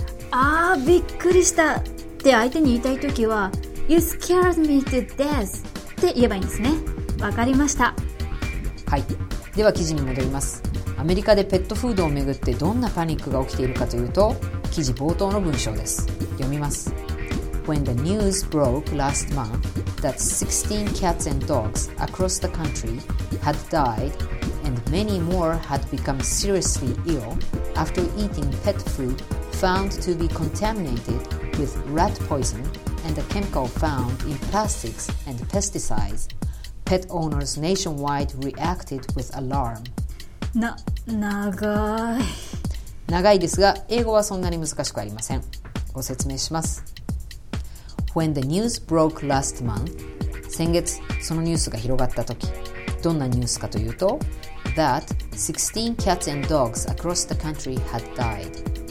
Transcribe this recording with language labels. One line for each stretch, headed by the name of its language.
Japanese: あーびっくりしたって相手に言いたいときは
English: You scared me to death
Japanese: って言えばいいんですね。わかりました。はい、では記事に戻ります。アメリカでペットフードをめぐってどんなパニックが起きているかというと、記事冒頭の文章です。読みます。
English: When the news broke last month that 16 cats and dogs across the country had died and many more had become seriously ill after eating pet food found to be contaminated with rat poison and a chemical found in plastics and pesticides, pet owners nationwide reacted with alarm.
Japanese: 長い。長いですが、英語はそんなに難しくありません。ご説明します。
English: When the news broke last month,
Japanese: 先月そのニュースが広がった時、どんなニュースかというと、
English: that 16 cats and dogs across the country had died.